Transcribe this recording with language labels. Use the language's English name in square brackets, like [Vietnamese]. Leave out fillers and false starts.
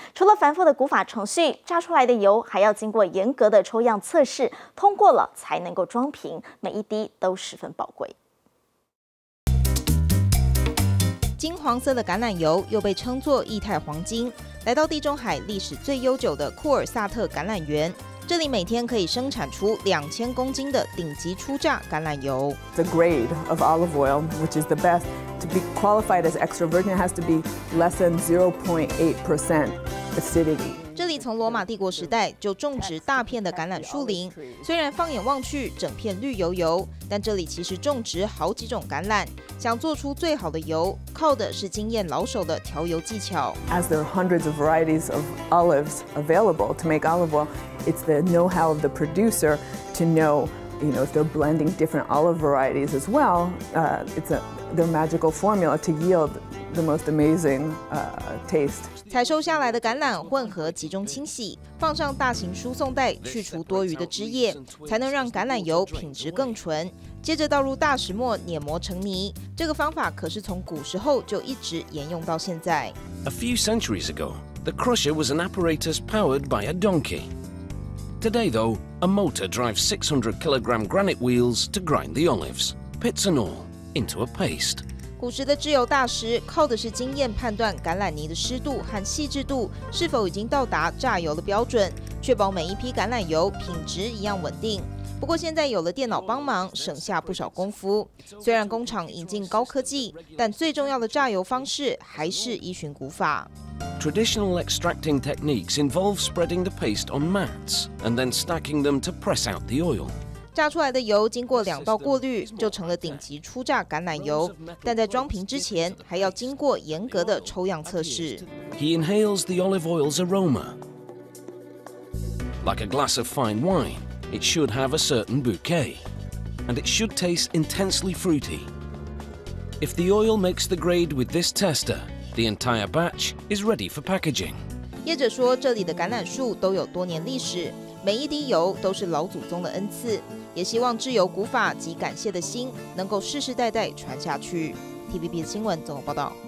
[Chinese] 除了繁复的古法程序，榨出来的油还要经过严格的抽样测试，通过了才能够装瓶，每一滴都十分宝贵。金黄色的橄榄油又被称作液态黄金，来到地中海历史最悠久的库尔萨特橄榄园，这里每天可以生产出2000公斤的顶级初榨橄榄油。 [English] The grade of olive oil, which is the best to be qualified as extra virgin, has to be less than 0.8% acidity. [Chinese] 这里从罗马帝国时代就种植大片的橄榄树林，虽然放眼望去整片绿油油，但这里其实种植好几种橄榄。想做出最好的油，靠的是经验老手的调油技巧。 [English] As there are hundreds of varieties of olives available to make olive oil. It's the know-how of the producer to know, you know, if they're blending different olive varieties as well, it's their magical formula to yield the most amazing taste. [Chinese] 采收下来的橄榄混合集中清洗，放上大型输送袋去除多余的汁液，才能让橄榄油品质更纯。接着倒入大石磨碾磨成泥，这个方法可是从古时候就一直沿用到现在。 [English] A few centuries ago, the crusher was an apparatus powered by a donkey. Today, though, a motor drives 600 kilogram granite wheels to grind the olives, pits and all, into a paste. [Chinese] 古时的制油大师靠的是经验判断橄榄泥的湿度和细致度是否已经到达榨油的标准，确保每一批橄榄油品质一样稳定。不过现在有了电脑帮忙，省下不少功夫。虽然工厂引进高科技，但最重要的榨油方式还是依循古法。 [English] Traditional extracting techniques involve spreading the paste on mats and then stacking them to press out the oil. [Chinese] 榨出来的油经过两道过滤，就成了顶级初榨橄榄油。但在装瓶之前，还要经过严格的抽样测试。 [English] He inhales the olive oil's aroma, like a glass of fine wine. It should have a certain bouquet, and it should taste intensely fruity. If the oil makes the grade with this tester, the entire batch is ready for packaging. [Chinese] 业者说，这里的橄榄树都有多年历史，每一滴油都是老祖宗的恩赐，也希望制油古法及感谢的心能够世世代代传下去。TVBS 新闻综合报道。